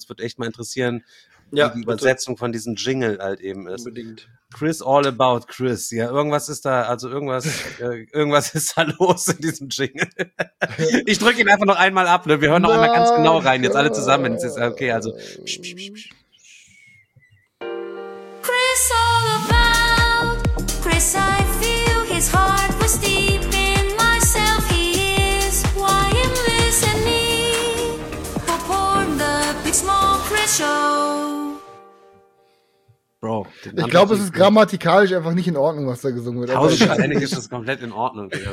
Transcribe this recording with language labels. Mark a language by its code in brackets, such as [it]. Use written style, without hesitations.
[de] Uns würde echt mal interessieren, wie die Übersetzung von diesem Jingle halt eben ist. Unbedingt. [en] Chris all about Chris. [de] Ja, irgendwas ist da, also irgendwas ist da los in diesem Jingle. Ich drücke ihn einfach noch einmal ab, ne? Wir hören noch einmal ganz genau rein, jetzt alle zusammen. Jetzt ist, okay, also. [en] Chris all about Chris, I feel his heart was deep in myself. He is why I'm listening for Porn, the Big Small Chris Show. Bro, [de] ich glaube, es ist grammatikalisch einfach nicht in Ordnung, was da gesungen wird. Tausendscheinig ist das komplett in Ordnung.